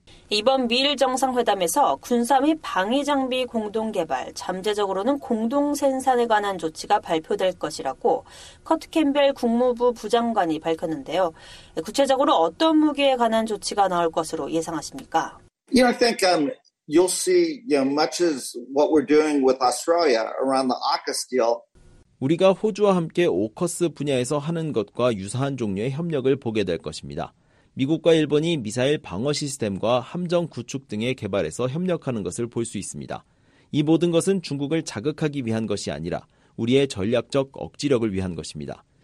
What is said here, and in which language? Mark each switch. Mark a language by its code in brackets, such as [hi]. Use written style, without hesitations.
[ko] 이번 미일 정상회담에서 군사 및 방위장비 공동개발, 잠재적으로는 공동생산에 관한 조치가 발표될 것이라고 커트 캠벨 국무부 부장관이 밝혔는데요. 구체적으로 어떤 무기에 관한 조치가 나올 것으로 예상하십니까? [en] You know, I think you'll see you know, much as what we're doing with Australia around the AUKUS deal. [ko] 우리가 호주와 함께 오커스 분야에서 하는 것과 유사한 종류의 협력을 보게 될 것입니다. 미국과 일본이 미사일 방어 시스템과 함정 구축 등의 개발에서 협력하는 것을 볼 수 있습니다. 이 모든 것은 중국을 자극하기 위한 것이 아니라 우리의 전략적 억지력을 위한 것입니다.